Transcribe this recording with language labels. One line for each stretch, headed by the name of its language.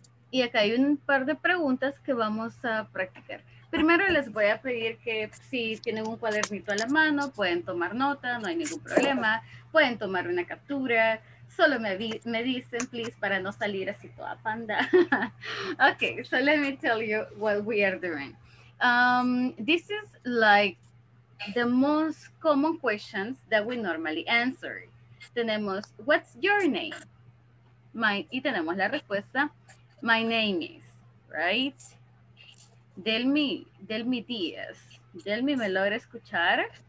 Spanish: Y acá hay un par de preguntas que vamos a practicar. Primero les voy a pedir que si tienen un cuadernito a la mano, pueden tomar nota, no hay ningún problema. Pueden tomar una captura, solo me dicen,
English: please,
Spanish: para no salir así toda panda.
English: Okay, so let me tell you what we are doing. This is like the most common questions that we normally answer.
Spanish: Tenemos,
English: what's your name?
Spanish: Y tenemos la respuesta,
English: my name is, right?
Spanish: Delmi Díaz. Delmi, ¿me logra escuchar?